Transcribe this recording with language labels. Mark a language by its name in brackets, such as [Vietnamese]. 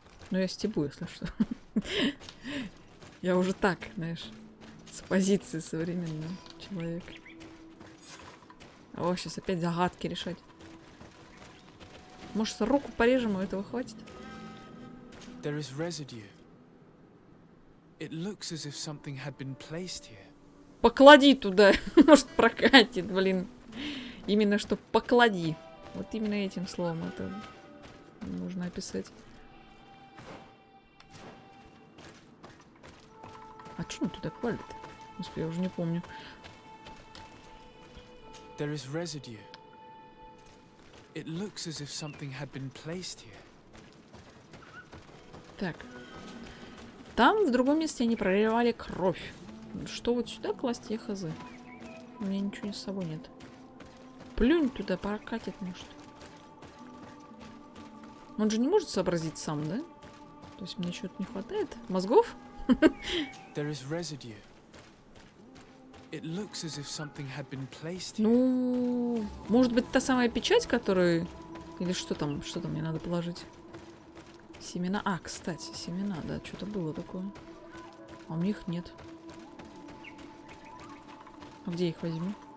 [Russian] Ну я стебу, если что. Я уже так, знаешь, с позиции современного человека. О, сейчас опять загадки решать. Может, руку порежем, а этого хватит? [English] There is residue. It looks as if something had been placed here. [Russian] Поклади туда. Может, прокатит, блин. Именно что поклади. Вот именно этим словом это нужно описать. А что он туда кладет? Господи, я уже не помню. [English] There is residue. It looks as if something had been placed here. [Russian] Так. Там, в другом месте, они проливали кровь. Что вот сюда класть, я хз. У меня ничего с собой нет. Плюнь туда, прокатит, может. Он же не может сообразить сам, да? То есть мне чего-то не хватает? Мозгов? [English] There is residue. It looks as if something had been placed. [Russian] Ну, может быть, та самая печать, которую... Или что там? Что там мне надо положить? Семена. А, кстати, семена. Да, что-то было такое. А у них нет. А где их возьму?